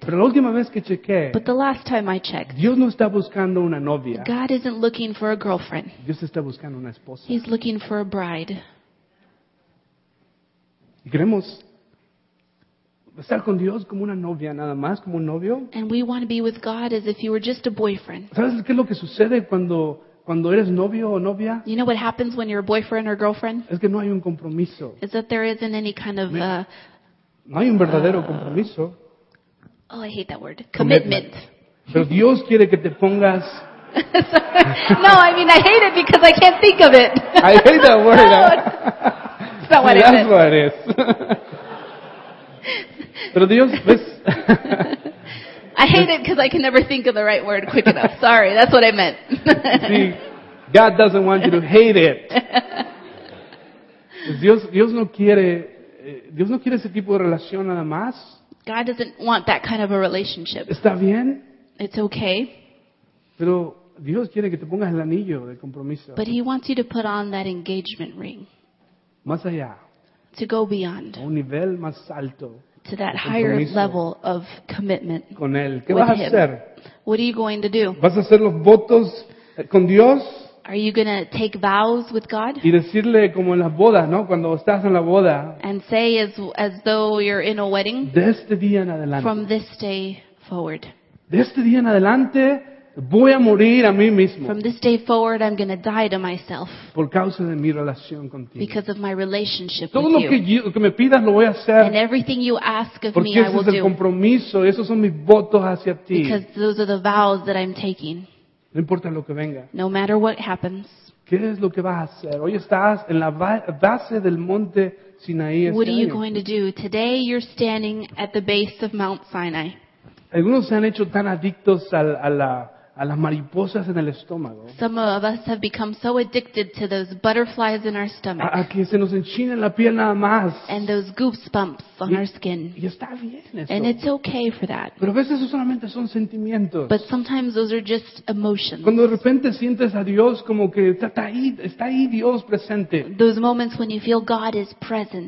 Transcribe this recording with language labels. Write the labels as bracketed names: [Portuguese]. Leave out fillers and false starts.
[Spanish] Pero la última vez que chequeé, [English] but the last time I checked, [Spanish] Dios no está buscando una novia. [English] God isn't looking for a girlfriend. [Spanish] Dios está buscando una esposa. [English] He's looking for a bride. [Spanish] Y queremos estar con Dios como una novia nada más, como un novio. [English] And we want to be with God as if you were just a boyfriend. [Spanish] ¿Sabes qué es lo que sucede cuando eres novio o novia? [English] You know what happens when you're a boyfriend or girlfriend? [Spanish] Es que no hay un compromiso. [English] Is that there isn't any kind of [Spanish] no hay un verdadero compromiso. [English] Oh, I hate that word. Commitment. [Spanish] Pero Dios quiere que te pongas. [English] No, I mean I hate it because I can't think of it. I hate that word. No, it's not what it is. That's what it is. [Spanish] Pero Dios, ¿ves? [English] I hate it because I can never think of the right word quick enough. Sorry, that's what I meant. See, God doesn't want you to hate it. [Spanish] Dios no quiere ese tipo de relación nada más. [English] God doesn't want that kind of a relationship. [Spanish] Está bien. [English] It's okay. [Spanish] Pero Dios quiere que te pongas el anillo de compromiso. [English] But he wants you to put on that engagement ring. [Spanish] Más allá. [English] To go beyond. [Spanish] A un nivel más alto. [English] To that higher level of commitment. [Spanish] Con él. ¿Qué [English] with [Spanish] vas [English] him? [Spanish] A hacer? [English] What are you going to do? [Spanish] ¿Vas a hacer los votos con Dios? [English] Are you going to take vows with God? [Spanish] Y decirle como en las bodas, ¿no? Cuando estás en la boda. [English] And say as though you're in a wedding. [Spanish] De este día en adelante. [English] From this day forward. [Spanish] De este día en adelante voy a morir a mí mismo. [English] From this day forward I'm going to die to myself. [Spanish] Por causa de mi relación contigo. [English] Because of my relationship [Spanish] todo [English] with [Spanish] lo que [English] you. [Spanish] Todo lo que me pidas lo voy a hacer. [English] And everything you ask of [Spanish] porque [English] me I will do. [Spanish] Ese es el compromiso, esos son mis votos hacia ti. [English] Because those are the vows that I'm taking. [Spanish] No importa lo que venga. [English] No matter what happens. [Spanish] ¿Qué es lo que vas a hacer? Hoy estás en la base del monte Sinaí. [English] What are you going to do? Today you're standing at the base of Mount Sinai. [Spanish] Algunos se han hecho tan adictos a las mariposas en el estómago. [English] Some of us have become so addicted to those butterflies in our stomach. [Spanish] A que se nos enchina la piel nada más. [English] And those goosebumps on our skin. [Spanish] Y está bien eso. [English] And it's okay for that. [Spanish] Pero a veces eso solamente son sentimientos. [English] But sometimes those are just emotions. [Spanish] Cuando de repente sientes a Dios como que está ahí Dios presente. [English] Those moments when you feel God is present.